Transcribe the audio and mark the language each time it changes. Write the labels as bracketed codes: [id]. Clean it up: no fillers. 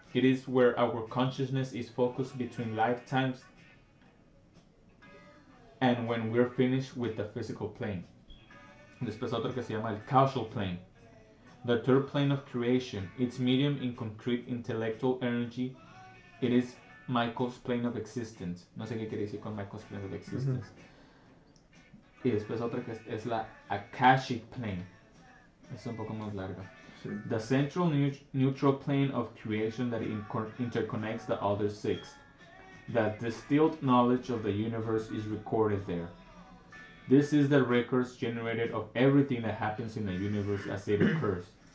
[en] It is where our consciousness is focused between lifetimes and when we're finished with the physical plane. [es] Después otro que se llama el causal plane. [en] The third plane of creation. It's medium in concrete intellectual energy. It is Michael's plane of existence. [es] No sé qué quiere decir con [en] Michael's plane of existence. [es] Mm-hmm. Y después otro que es la Akashic plane. Es un poco más larga. Sí. [en] The central neutral plane of creation that interconnects the other six. The distilled knowledge of the universe is recorded there. This is the records generated of everything that happens in the universe as it occurs.